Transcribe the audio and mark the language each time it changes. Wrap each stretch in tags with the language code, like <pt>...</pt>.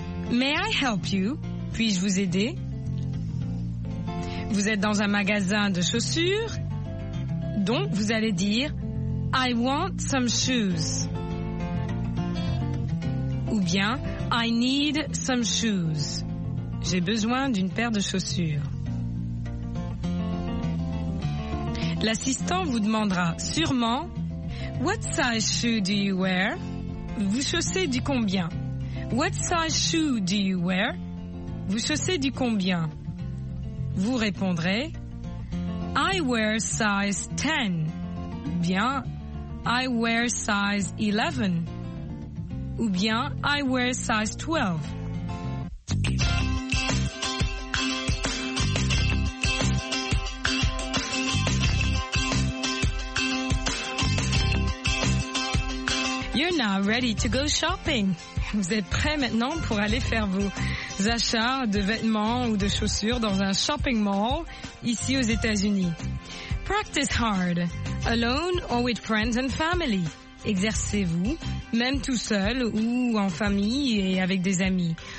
<en>May I help you?</en> <fr>Puis-je vous aider? » Vous êtes dans un magasin de chaussures, donc vous allez dire «</fr> <en>I want some shoes.</en> <fr>» Ou bien «</fr> <en>I need some shoes.</en> <fr>» J'ai besoin d'une paire de chaussures. L'assistant vous demandera sûrement «</fr> <en>What size shoe do you wear?</en> <fr>» Vous chaussez du combien?</fr> <en>What size shoe do you wear?</en> <fr>Vous chaussez du combien? Vous répondrez</fr> <en>I wear size 10.</en> <fr>Ou bien</fr> <en>I wear size 11.</en> <fr>Ou bien</fr> <en>I wear size 12. Ready to go shopping.</en> <fr>Vous êtes prêts maintenant pour aller faire vos achats de vêtements ou de chaussures dans un shopping mall ici aux États-Unis.</fr> <en>Practice hard, alone or with friends and family.</en> <fr>Exercez-vous, même tout seul ou en famille et avec des amis.</fr>